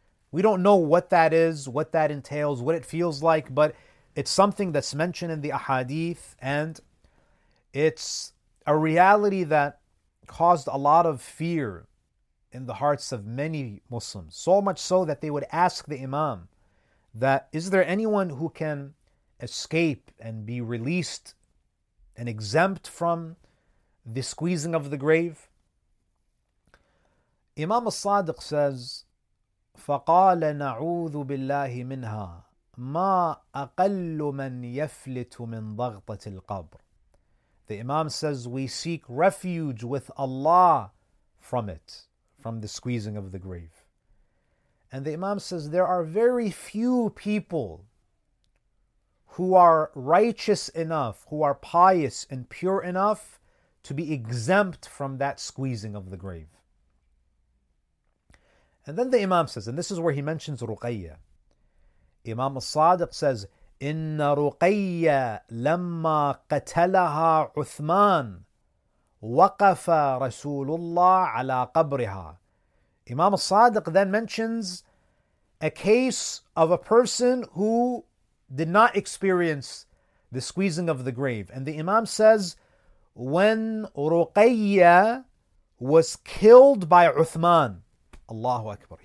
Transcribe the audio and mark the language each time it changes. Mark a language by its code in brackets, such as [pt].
[en] We don't know what that is, what that entails, what it feels like, but it's something that's mentioned in the ahadith, and it's a reality that caused a lot of fear in the hearts of many Muslims, so much so that they would ask the Imam, that is there anyone who can escape and be released and exempt from the squeezing of the grave? [ar] Imam al-Sadiq says, فَقَالَ نَعُوذُ بِاللَّهِ مِنْهَا مَا أَقَلُّ مَنْ يَفْلِتُ مِنْ ضَغْطَةِ الْقَبْرِ. [en] The Imam says, we seek refuge with Allah from it, from the squeezing of the grave. And the Imam says, there are very few people who are righteous enough, who are pious and pure enough to be exempt from that squeezing of the grave. And then the Imam says, and this is where he mentions Ruqayya. [ar] Imam al-Sadiq says, إِنَّ رُقَيَّ لَمَّا قَتَلَهَا عُثْمَانَ وَقَفَ رَسُولُ اللَّهِ عَلَىٰ قَبْرِهَا. [en] Imam al-Sadiq then mentions a case of a person who did not experience the squeezing of the grave. And the Imam says, when Ruqayya was killed by Uthman, Allahu Akbar.